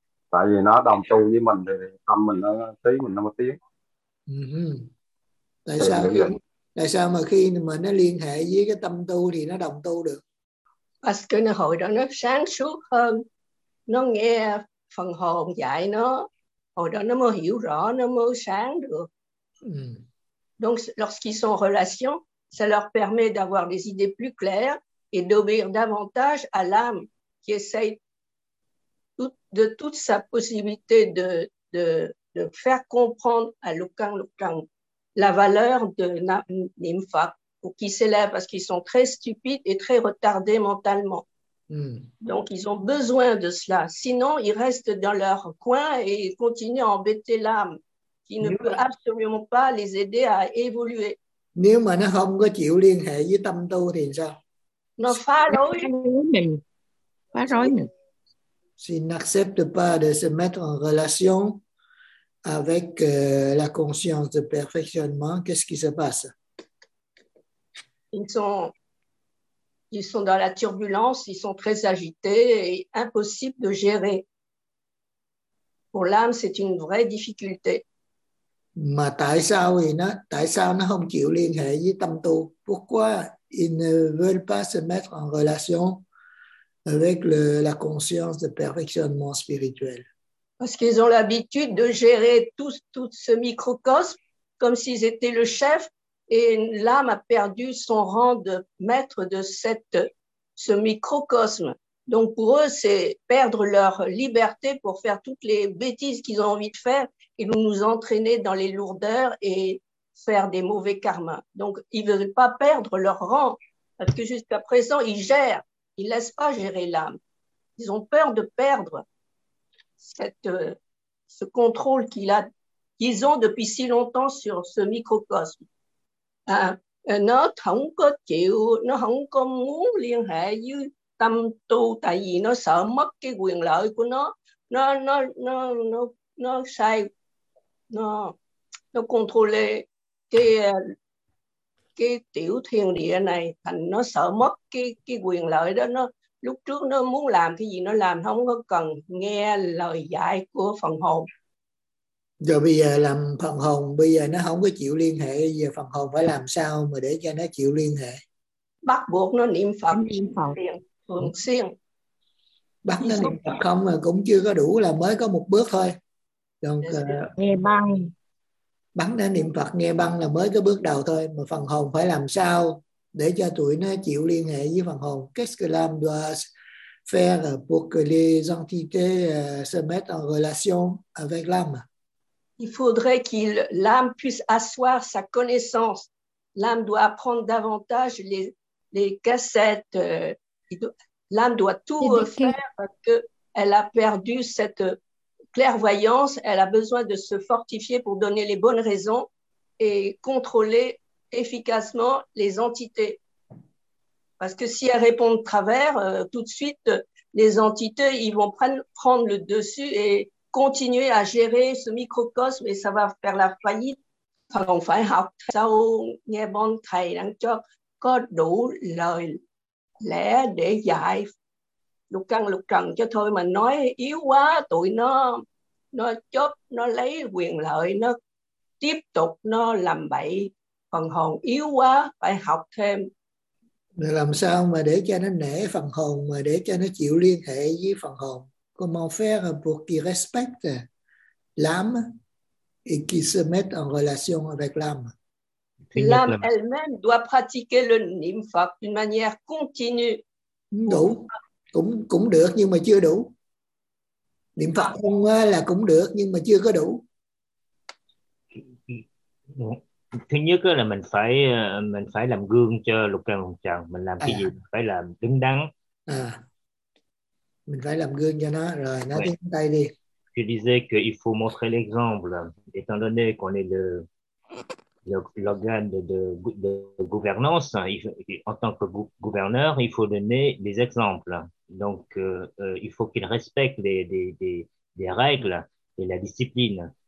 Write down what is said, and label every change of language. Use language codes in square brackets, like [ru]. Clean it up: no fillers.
[vi] Tại vì nó đồng tu với mình thì tâm mình nó trí mình nó mới tiến. Tại sao mà khi mà nó liên hệ với cái tâm tu thì nó đồng tu được? [fr] Parce que [vi] nó hồi đó nó sáng suốt hơn. nó nghe phần hồn dạy nó, hồi đó nó mới hiểu rõ, nó mới sáng được. [fr] Donc lorsqu'ils sont en relation, ça leur permet d'avoir des idées plus claires et d'obéir davantage à l'âme qui essaye de toute sa possibilité de faire comprendre à l'aucun la valeur de Nympha, pour qu'ils s'élèvent, parce qu'ils sont très stupides et très retardés mentalement. Donc ils ont besoin de cela, sinon ils restent dans leur coin et ils continuent à embêter l'âme qui ne peut absolument pas les aider à évoluer. [vi] Nếu mà nó không có chịu liên hệ với tâm tu thì sao? Nó phá rối mình. Phá rối mình. [fr] S'il n'accepte pas de se mettre en relation avec la conscience de perfectionnement, qu'est-ce qui se passe? Ils sont dans la turbulence, ils sont très agités et impossible de gérer. Pour l'âme, c'est une vraie difficulté. [vi] Mà tại sao nó không chịu liên hệ với tâm tu? [fr] Pourquoi ils ne veulent pas se mettre en relation avec la conscience de perfectionnement spirituel? Parce qu'ils ont l'habitude de gérer tout ce microcosme comme s'ils étaient le chef, et l'âme a perdu son rang de maître de ce microcosme. Donc pour eux, c'est perdre leur liberté pour faire toutes les bêtises qu'ils ont envie de faire et nous entraîner dans les lourdeurs et faire des mauvais karmas. Donc ils ne veulent pas perdre leur rang, parce que jusqu'à présent, ils gèrent, ils ne laissent pas gérer l'âme. Ils ont peur de perdre ce contrôle qu'ils ont depuis si longtemps sur ce microcosme. [vi] Nó không có chịu, nó không có muốn liên hệ với tâm tu, tại vì nó sợ mất cái quyền lợi của nó sai, nó controle cái tiểu thiên địa này, thành nó sợ mất cái quyền lợi đó. Nó lúc trước nó muốn làm cái gì nó làm, không có cần nghe lời dạy của phần hồn. Rồi bây giờ làm phần hồn, bây giờ nó không có chịu liên hệ, giờ phần hồn phải làm sao mà để cho nó chịu liên hệ? Bắt buộc nó niệm Phật thường xuyên. Bắt nó niệm Phật không mà cũng chưa có đủ, là mới có một bước thôi. [fr] Donc, [vi] nghe băng. Bắt nó niệm Phật nghe băng là mới có bước đầu thôi. Mà phần hồn phải làm sao để cho tụi nó chịu liên hệ với phần hồn? [fr] Qu'est-ce que l'âme doit faire pour que les entités se mettent en relation avec l'âme? Il faudrait que l'âme puisse asseoir sa connaissance. L'âme doit apprendre davantage les cassettes. L'âme doit tout refaire parce qu'elle a perdu cette clairvoyance. Elle a besoin de se fortifier pour donner les bonnes raisons et contrôler efficacement les entités. Parce que si elle répond de travers, tout de suite, les entités ils vont prendre le dessus et continuer à gérer ce microcosme et ça va faire la faillite. [vi] Còn phải học sau nghe bọn thầy đang cho có đủ lời lẽ để dạy lục căn lục trần cho thôi, mà nói yếu quá tụi nó chớp, nó lấy quyền lợi, nó tiếp tục nó làm bậy. Phần hồn yếu quá phải học thêm. Làm sao mà để cho nó nể phần hồn, mà để cho nó chịu liên hệ với phần hồn? [fr] Comment faire pour qu'il respecte l'âme et qu'il se mette en relation avec l'âme? L'âme elle-même doit pratiquer le nympha d'une manière continue. [vi] Đủ, cũng được nhưng mà chưa đủ. Niệm Phật không là cũng được nhưng mà chưa có đủ. Thứ nhất là mình phải làm gương cho lục căn lục trần, mình làm cái gì phải làm đứng đắn. Mình phải làm gương cho nó, rồi nó tiến tay đi. [fr] Tu disais que il faut montrer l'exemple, étant donné qu'on est l'organe de gouvernance, en tant que gouverneur, il faut donner des exemples. Donc, il faut qu'il respecte les règles et la discipline.